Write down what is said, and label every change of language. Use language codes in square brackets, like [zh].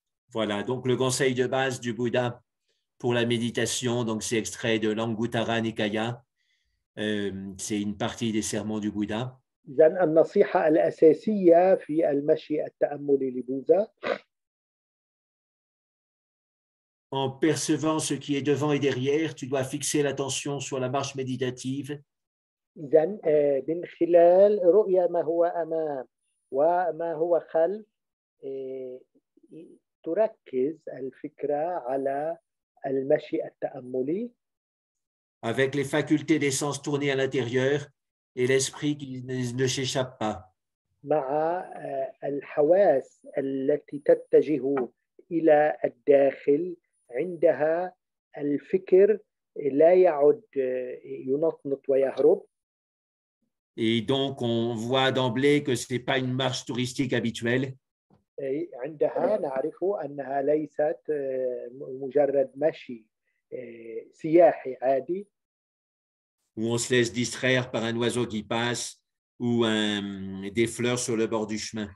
[fr] Voilà, donc le conseil de base du Bouddha pour la méditation, donc c'est extrait de l'Anguttara Nikaya, c'est une partie des sermons du Bouddha. [ar] إذن النصيحة الأساسية في المشي التأملي لبوذا. [fr] En percevant ce qui est devant et derrière, tu dois fixer l'attention sur la marche méditative. [ar] إذن من خلال رؤية ما هو أمام وما هو خلف تركز الفكرة على المشي التأملي. [fr] Avec les facultés des sens tournées à l'intérieur. Et l'esprit qui ne s'échappe pas. [ar] مع الحواس التي تتجه إلى الداخل عندها الفكر لا يعد ينطنط ويهرب. [fr] Et donc on voit d'emblée que ce n'est pas une marche touristique habituelle. [ar] عندها نعرف أنها ليست مجرد مشي سياحي عادي. [fr] Où on se laisse distraire par un oiseau qui passe ou des fleurs sur le bord du chemin.